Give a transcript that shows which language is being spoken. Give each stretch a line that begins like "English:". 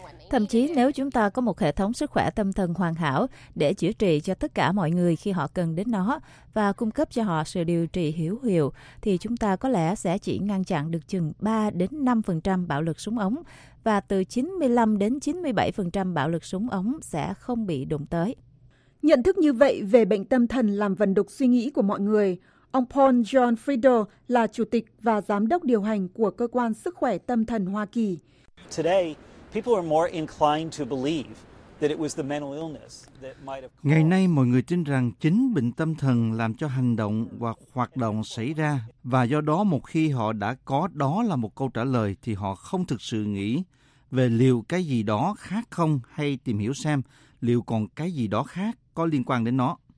Vietnamese: Thậm chí nếu chúng ta có một hệ thống sức khỏe tâm thần hoàn hảo để chữa trị cho tất cả mọi người khi họ cần đến nó và cung cấp cho họ sự điều trị hữu hiệu, thì chúng ta có lẽ sẽ chỉ ngăn chặn được chừng 3-5% bạo lực súng ống, và từ 95-97% bạo lực súng ống sẽ không bị đụng tới. Nhận thức như vậy về bệnh tâm thần làm vần đục suy nghĩ của mọi người. Ông Paul John Friedel là chủ tịch và giám đốc điều hành của Cơ quan Sức khỏe Tâm thần Hoa Kỳ.
English: Today, people are more inclined to believe that it was the mental illness that might have.
Vietnamese: Ngày nay mọi người tin rằng chính bệnh tâm thần làm cho hành động hoặc hoạt động xảy ra, và do đó một khi họ đã có đó là một câu trả lời thì họ không thực sự nghĩ về liệu cái gì đó khác không, hay tìm hiểu xem liệu còn cái gì đó khác có liên quan đến nó.